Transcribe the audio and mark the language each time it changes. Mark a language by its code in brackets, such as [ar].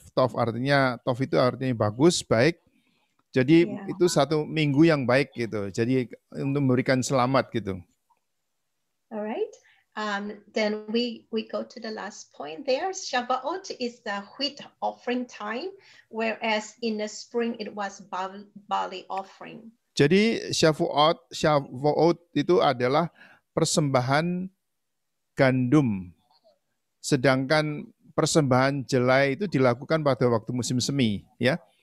[id] Tov artinya, Tov itu artinya bagus, baik. Jadi itu satu minggu yang baik gitu. Jadi untuk memberikan selamat gitu. [en] Alright. Then we go to the last point there. Shavuot is the wheat offering time, whereas in the spring it was barley offering. [id] Jadi Shavuot itu adalah persembahan gandum, sedangkan persembahan jelai itu dilakukan pada waktu musim semi, ya.